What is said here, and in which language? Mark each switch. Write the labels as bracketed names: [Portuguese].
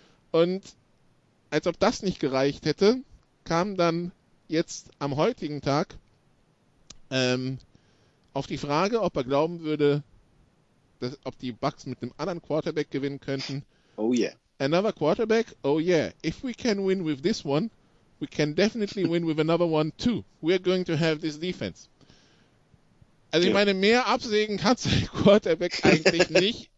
[German] Und als ob das nicht gereicht hätte, kam dann jetzt am heutigen Tag auf die Frage, ob er glauben würde, ob die Bucks mit einem anderen Quarterback gewinnen könnten. [English] Oh yeah. another quarterback? Oh yeah, if we can win with this one, we can definitely win with another one too. We're going to have this defense. [German] Also ich meine, mehr absägen kannst du den Quarterback eigentlich nicht.